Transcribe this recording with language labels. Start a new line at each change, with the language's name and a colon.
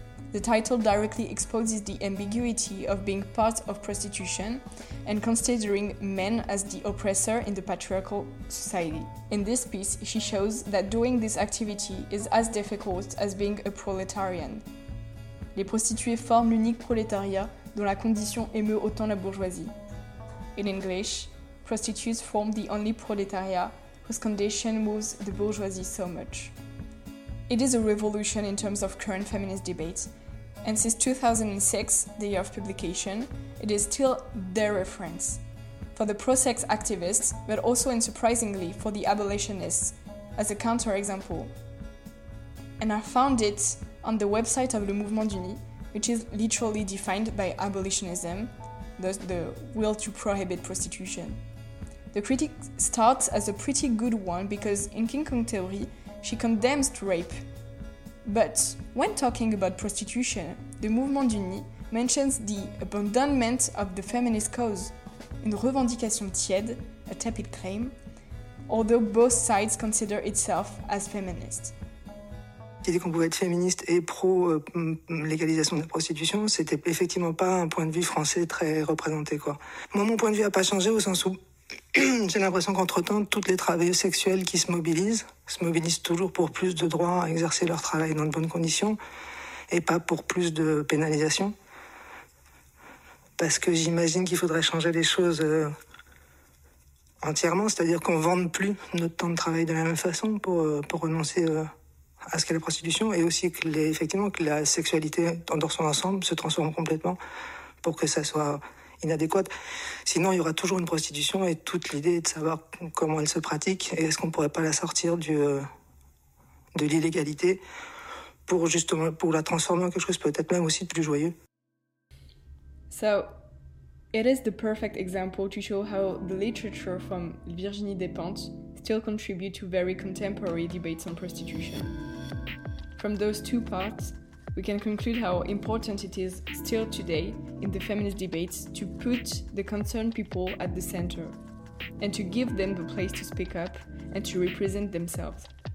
English: The title directly exposes the ambiguity of being part of prostitution and considering men as the oppressor in the patriarchal society. In this piece, she shows that doing this activity is as difficult as being a proletarian.
French: Les prostituées forment l'unique prolétariat dont la condition émeut autant la bourgeoisie.
English: In English, prostitutes form the only proletariat whose condition moves the bourgeoisie so much. It is a revolution in terms of current feminist debate, and since 2006, the year of publication, it is still their reference. For the pro-sex activists, but also unsurprisingly for the abolitionists, as a counterexample. And I found it on the website of Le Mouvement d'Unis, which is literally defined by abolitionism, thus the will to prohibit prostitution. The critique starts as a pretty good one because in King Kong Theory, she condemns rape. But when talking about prostitution, the Mouvement d'Unis mentions the abandonment of the feminist cause,
French: une revendication tiède,
English: a tepid claim, although both sides consider itself as feminist.
French: L'idée qu'on pouvait être féministe et pro-légalisation de la prostitution, c'était effectivement pas un point de vue français très représenté, quoi. Moi, mon point de vue a pas changé au sens où j'ai l'impression qu'entre-temps, toutes les travailleuses sexuelles qui se mobilisent toujours pour plus de droits à exercer leur travail dans de bonnes conditions et pas pour plus de pénalisation. Parce que j'imagine qu'il faudrait changer les choses entièrement, c'est-à-dire qu'on vende plus notre temps de travail de la même façon pour renoncer à ce qu'est la prostitution et aussi que la sexualité dans son ensemble se transforme complètement pour que ça soit inadéquate. Sinon, il y aura toujours une prostitution et toute l'idée est de savoir comment elle se pratique et est-ce qu'on ne pourrait pas la sortir de l'illégalité pour justement pour la transformer en quelque chose peut-être même aussi de plus joyeux.
English: So, it is the perfect example to show how the literature from Virginie Despentes still contribute to very contemporary debates on prostitution. From those two parts, we can conclude how important it is still today in the feminist debates to put the concerned people at the center and to give them the place to speak up and to represent themselves.